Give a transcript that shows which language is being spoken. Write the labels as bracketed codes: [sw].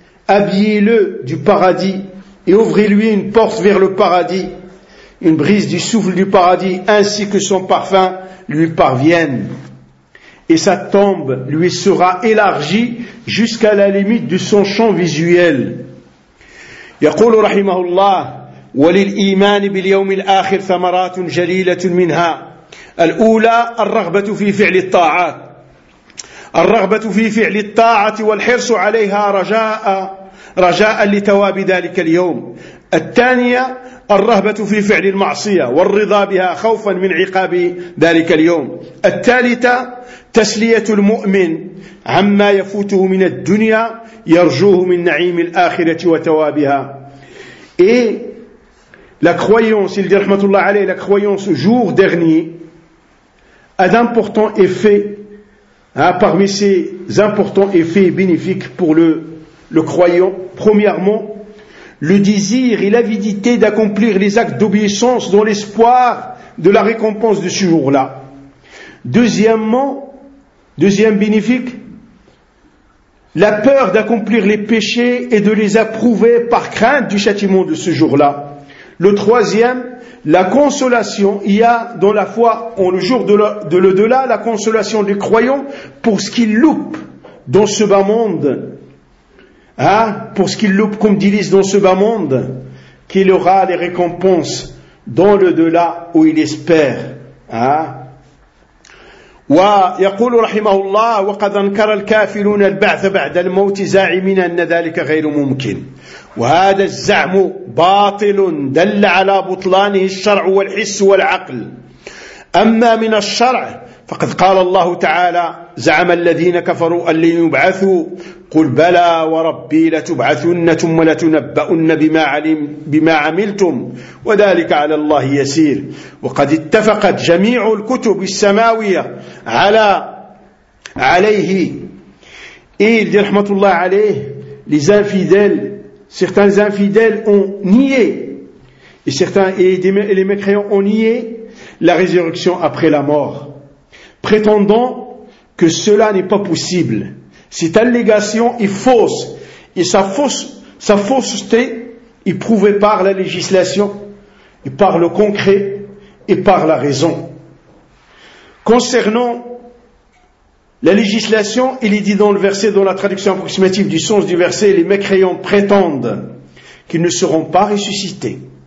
[fr] Habillez-le du paradis et ouvrez-lui une porte vers le paradis. Une brise du souffle du paradis ainsi que son parfum lui parviennent. Et sa tombe lui sera élargie jusqu'à la limite de son champ visuel. [ar] يقول رحمه الله وللإيمان باليوم الآخر ثمرات جليلة منها الأولى الرغبة في فعل الطاعات الرغبة في فعل الطاعة والحرص عليها رجاء لتواب ذلك اليوم الثانية الرهبة في فعل المعصية والرضا بها خوفا من عقاب ذلك اليوم الثالثة تسلية المؤمن عما يفوته من الدنيا يرجوه من نعيم الآخرة وتوابها [fr] et la croyance il dit rahmatullah alayhi la croyance jour dernier a d'importants effets hein, parmi ces importants effets bénéfiques pour le croyant premièrement le désir et l'avidité d'accomplir les actes d'obéissance dans l'espoir de la récompense de ce jour-là. Deuxièmement, deuxième bénéfique, la peur d'accomplir les péchés et de les approuver par crainte du châtiment de ce jour-là. Le troisième, la consolation, il y a dans la foi, en le jour de l'au-delà, la consolation du croyant pour ce qu'il loupe dans ce bas monde. Hein, pour ce qu'il loupe comme délice dans ce bas monde, qu'il aura les récompenses dans le delà où il espère. [ar] ويقول رحمه الله وقد أنكر الكافرون البعث بعد الموت زاعمين أن ذلك غير ممكن وهذا الزعم باطل دل على بطلانه الشرع والحس والعقل أما من الشرع فقد قال الله تعالى زعم الذين كفروا أن لن يبعثوا قل بلى وربي لتبعثن ثم لتنبؤن بما عملتم وذلك على الله يسير وقد اتفقت جميع الكتب السماوية على عليه إيه رحمة الله عليه [fr] les infidèles certains infidèles ont nié et certains et les mécréants ont nié la résurrection après la mort prétendant que cela n'est pas possible. Cette allégation est fausse et sa fausseté est prouvée par la législation et par le concret et par la raison. Concernant la législation, il est dit dans le verset, dans la traduction approximative du sens du verset, les mécréants prétendent qu'ils ne seront pas ressuscités.